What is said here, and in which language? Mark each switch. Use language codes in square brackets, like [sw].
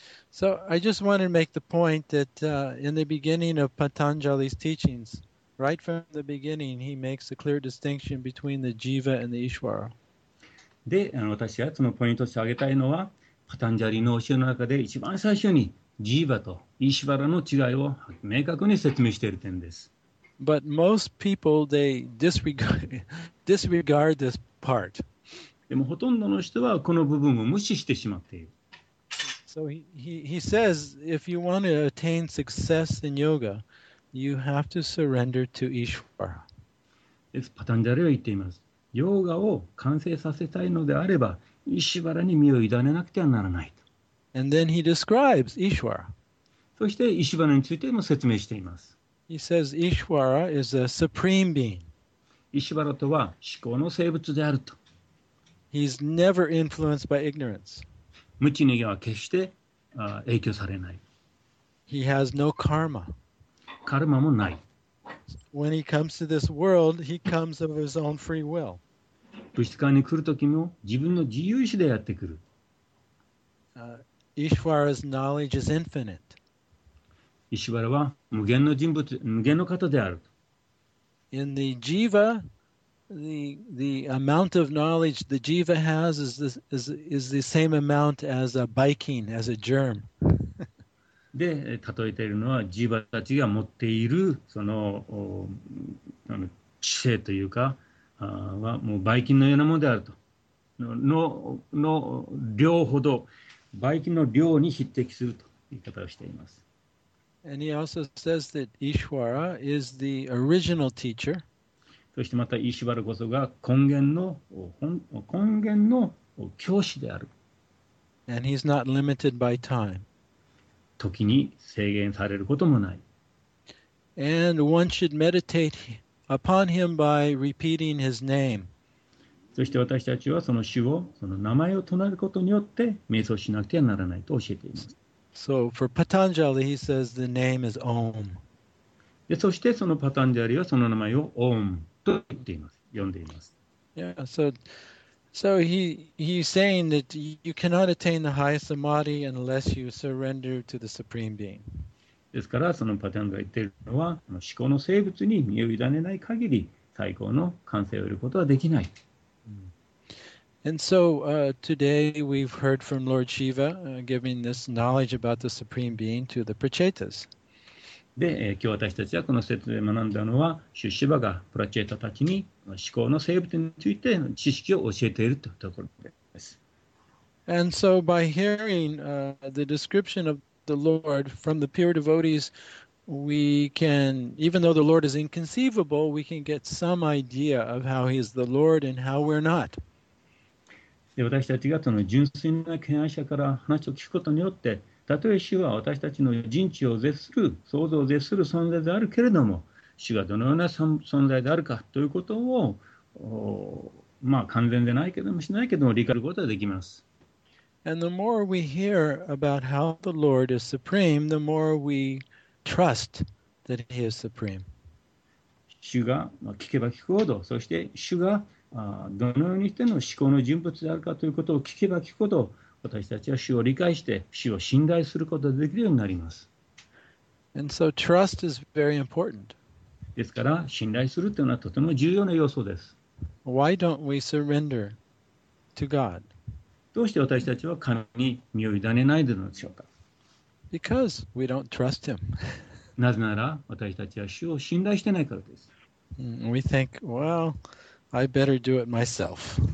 [en] So I just wanted to make the point that in the beginning of Patanjali's teachings, right from the beginning, he makes a clear distinction between the Jiva and the Ishvara. [ja] で、私はそのポイントとして挙げたいのは、パタンジャリの教えの中で一番最初に、ジーバとイシュバラの違いを明確に説明している点です。 [en] But most people, they disregard this part. [ja] でもほとんどの人はこの部分を無視してしまっている。 [en] So he says, if you want to attain success in yoga, you have to surrender to Ishvara. [ja] パタンジャリは言っています。ヨーガを完成させたいのであれば、イシュバラに身を委ねなくてはならない。 [en] And then he describes Ishvara. [ja] そしてイシュバラについても説明しています。 [en] He says Ishvara is a supreme being. [ja] イシュバラとは思考の生物であると。 [en] He's never influenced by ignorance. [ja] 無知には決して影響されない。 [en] He has no karma. [ja] カルマもない。 [en] When he comes to this world, he comes of his own free will. [ja] 物質界に来るときも自分の自由意志でやってくる。 [en] Ishvara's knowledge is infinite. [ja] Ishvara は無限の人物、無限の方である。 [en] In the Jiva, the amount of knowledge the Jiva has is the same amount as a biking, as a germ. [ja] で、例えているのは、ジーバたちが持っているその知性というか、はもうバイキンのようなものであると。の量ほど。バイキンの量に匹敵するという言い方をしています。 [en] And he also says that Ishvara is the original teacher. [ja] そしてまた、イシュバラこそが根源の教師である。 [en] And he's not limited by time. [ja] 時に制限されることもない。 [en] And one should meditate upon him by repeating his name. [ja] そして私たちはその主を、その名前を唱えることによって瞑想しなくてはならないと教えています。 [en] So for Patanjali, he says the name is Om. [ja] で、そしてそのパタンジャリはその名前をオームと言っています。呼んでいます。 [en] Yeah, so he's saying that you cannot attain the highest samadhi unless you surrender to the supreme being. [ja] ですからそのパタンが言っているのは、思考の生物に身を委ねない限り最高の完成を得ることはできない。 [en] And so today we've heard from Lord Shiva giving this knowledge about the Supreme Being to the Prachetas. [ja] で、今日私たちはこの説で学んだのは、シュシバがプラチェタたちに思考の生物について知識を教えているというところです。 [en] And so by hearing the description of the Lord from the pure devotees, we can, even though the Lord is inconceivable, we can get some idea of how he is the Lord and how we're not. [ja] で私たちがその純粋な権威者から話を聞くことによって、たとえ主は私たちの人知を絶する、想像を絶する存在であるけれども、主がどのような存在であるかということを、まあ、完全でないけれども、しないけれども、理解することができます。 [en] And the more we hear about how the Lord is supreme, the more we trust that he is supreme. [ja] 主が、まあ、聞けば聞くほど、そして主がどのようにしての思考の人物であるかということを聞けば聞くほど、私たちは主を理解して主を信頼することができるようになります。 [en] And so trust is very important. [ja] ですから信頼するというのはとても重要な要素です。 [en] Why don't we surrender to God? [ja] どうして私たちは神に身を委ねないのでしょうか。 [en] Because we don't trust him. [ja] なぜなら私たちは主を信頼してないからです。 [en] We think, well, I better do it myself.